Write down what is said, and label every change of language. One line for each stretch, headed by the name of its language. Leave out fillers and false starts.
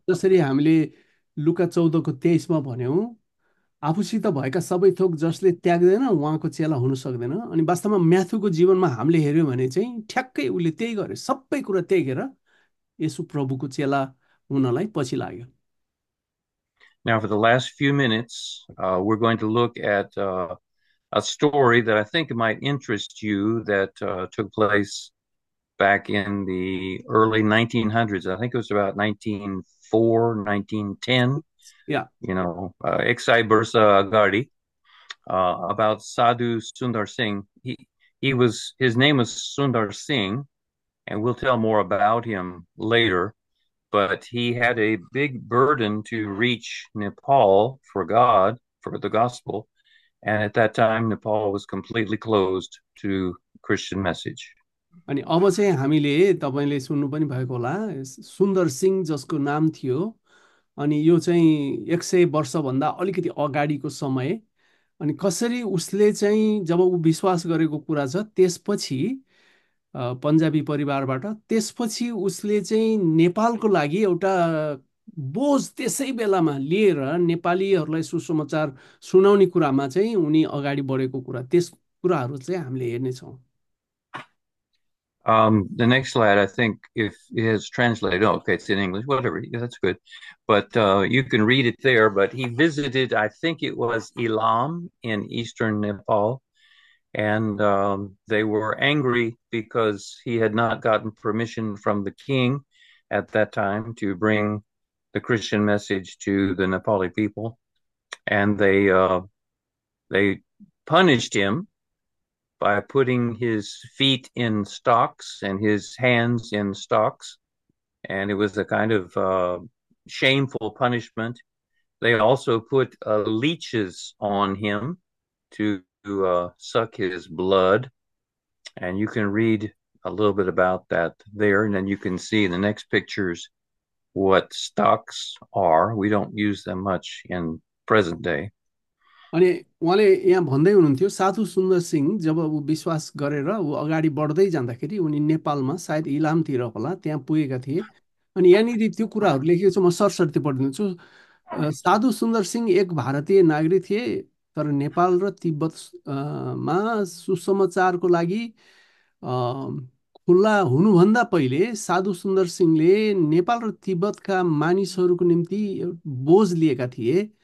Nepali: जसरी हामीले लुका 14:23 भन्यौँ, आफूसित भएका सबै थोक जसले त्याग्दैन उहाँको चेला हुन सक्दैन. अनि वास्तवमा म्याथुको जीवनमा हामीले हेऱ्यौँ भने चाहिँ ठ्याक्कै उसले त्यही गर्यो, सबै कुरा त्यागेर येशु प्रभुको चेला हुनलाई पछि लाग्यो.
English: Now, for the last few minutes, we're going to look at a story that I think might interest you that took place back in the early 1900s. I think it was about 1904, 1910, Yeah. you know, Ekshai Bursa Agarwal, about Sadhu Sundar Singh. His name was Sundar Singh, and we'll tell more about him later. But he had a big burden to reach Nepal for God, for the gospel. And at that time, Nepal was completely closed to Christian message.
Nepali: अनि अब चाहिँ हामीले तपाईँले सुन्नु पनि भएको होला सुन्दर सिंह जसको नाम थियो, अनि यो चाहिँ 100 वर्षभन्दा अलिकति अगाडिको समय, अनि कसरी उसले चाहिँ जब ऊ विश्वास गरेको कुरा छ त्यसपछि पन्जाबी परिवारबाट, त्यसपछि उसले चाहिँ नेपालको लागि एउटा बोझ त्यसै बेलामा लिएर नेपालीहरूलाई सुसमाचार सुनाउने कुरामा चाहिँ उनी अगाडि बढेको कुरा, त्यस कुराहरू चाहिँ हामीले हेर्नेछौँ.
English: The next slide, I think, if it has translated, oh, okay, it's in English, whatever, yeah, that's good. But you can read it there. But he visited, I think it was Elam in eastern Nepal, and they were angry because he had not gotten permission from the king at that time to bring the Christian message to the Nepali people, and they punished him by putting his feet in stocks and his hands in stocks, and it was a kind of shameful punishment. They also put leeches on him to suck his blood, and you can read a little bit about that there, and then you can see in the next pictures what stocks are. We don't use them much in present day.
Nepali: अनि उहाँले यहाँ भन्दै हुनुहुन्थ्यो, साधु सुन्दर सिंह जब ऊ विश्वास गरेर ऊ अगाडि बढ्दै जाँदाखेरि उनी नेपालमा सायद इलामतिर होला त्यहाँ पुगेका थिए। अनि यहाँनिर त्यो कुराहरू लेखेको छु, म सरस्वती पढिदिन्छु। साधु सुन्दर सिंह एक भारतीय नागरिक थिए, तर नेपाल र तिब्बतमा सुसमाचारको लागि खुल्ला हुनुभन्दा पहिले साधु सुन्दर सिंहले नेपाल र तिब्बतका मानिसहरूको निम्ति बोझ लिएका थिए।